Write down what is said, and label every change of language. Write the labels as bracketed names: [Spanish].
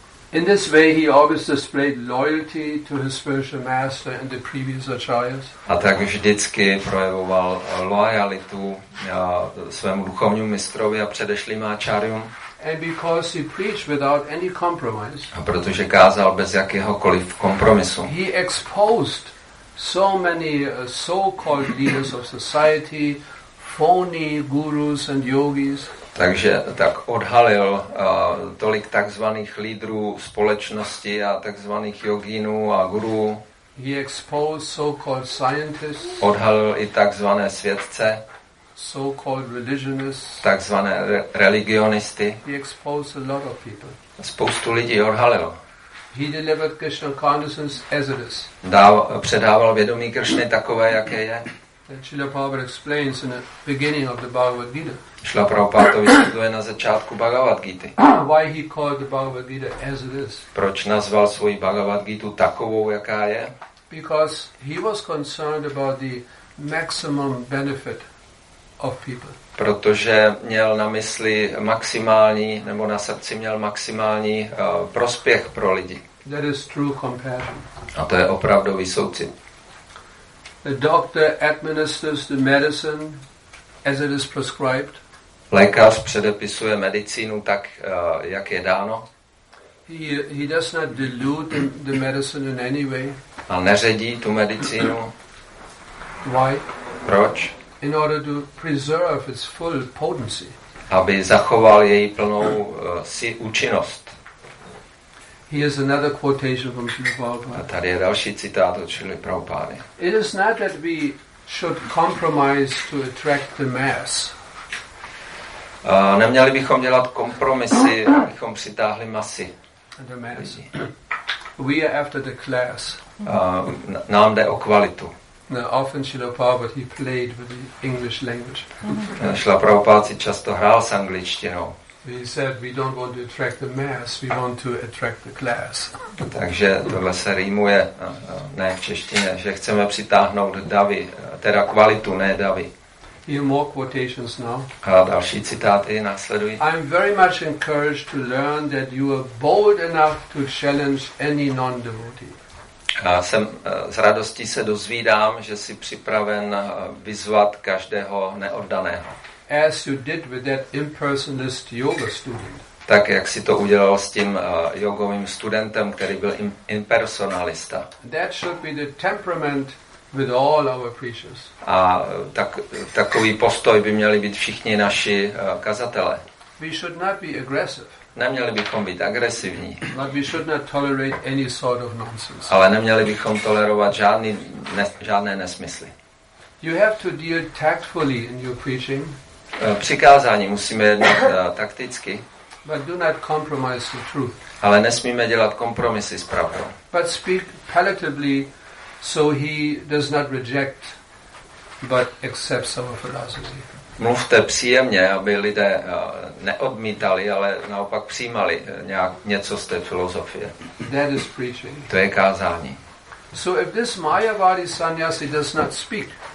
[English] In this way he always displayed loyalty to his spiritual master and the previous acharyas. [Czech] A tak vždycky projevoval loajalitu svému duchovnímu mistrovi a předešlým acharyům. [English] And because he preached without any compromise. [Czech] A protože kázal bez jakéhokoliv kompromisu. [English] He exposed so many so-called leaders of society, phony gurus and yogis. [Czech] Takže tak odhalil tolik takzvaných lídrů společnosti a takzvaných jogínů a gurů. [English] He exposed so-called scientists. [Czech] Odhalil i takzvané svědce. [English] So-called religionists, [Czech] takzvané religionisty. [English] He exposed a lot of people. [Czech] Spoustu lidí odhalil. [English] He delivered Krishna consciousness as it is. [Czech] Předával vědomí Kršny takové, jaké je. [English] Srila Prabhupada explains in the beginning of the Bhagavad Gita. [Czech] Srila Prabhupada vysvětluje na začátku Bhagavad Gita. [English] Why he called the Bhagavad Gita as it is? [Czech] Proč nazval svoji Bhagavad Gita takovou, jaká je? [English] Because he was concerned about the maximum benefit of people. [Czech] Protože měl na mysli maximální, nebo na srdci měl maximální prospěch pro lidi. [English] That is true compassion. [Czech] A to je opravdový soucit. [English] The doctor administers the medicine as it is prescribed. [Czech] Lékař předepisuje medicínu tak, jak je dáno. [English] He does not dilute the medicine in any way. [Czech] A neředí tu medicínu. [English] Why? [Czech] Proč? [English] In order to preserve its full potency. [Czech] Aby zachoval její plnou účinnost. [English] Here's another quotation from Srila Prabhupada. [Czech] A tady je další citát od Srila Prabhupady. [English] It is not that we should compromise to attract the mass. [Czech] Neměli bychom dělat kompromisy, abychom přitáhli masy. [English] The mass. We are after the class. [Czech] Nám jde o kvalitu. [English] No, often Srila Prabhupada, he played with the English language. [Czech] Srila Prabhupada si často hrál s angličtinou. [English] He said, "We don't want to attract the mass; we want to attract the class." [Czech] Takže tohle se rýmuje, ne v češtině, že chceme přitáhnout davy, teda kvalitu, ne davy. [English] Here more quotations now. [Czech] A další citáty následují. [English] I'm very much encouraged to learn that you are bold enough to challenge any non-devotee. [Czech] A jsem s radostí se dozvídám, že jsi připraven vyzvat každého neoddaného. [English] As you did with that impersonalist yoga student. [Czech] Tak jak si to udělal s tím jogovým studentem, který byl impersonalista. [English] That should be the temperament with all our preachers. [Czech] A tak, takový postoj by měli být všichni naši kazatelé. [English] We should not be aggressive. [Czech] Neměli bychom být agresivní. [English] But we should not tolerate any sort of nonsense. [Czech] Ale neměli bychom tolerovat žádný žádné nesmysly. [English] You have to deal tactfully in your preaching. [Czech] Přikázání musíme jednat takticky. [English] But do not compromise the truth. [Czech] Ale nesmíme dělat kompromisy s pravdou. [English] But speak palatably so he does not reject but accepts our philosophy. [Czech] Mluvte příjemně, aby lidé neodmítali, ale naopak přijímali nějak něco z té filozofie. [English] That is preaching. [Czech] To je kázání. [English] So if this Mayavadi sannyasi does not speak,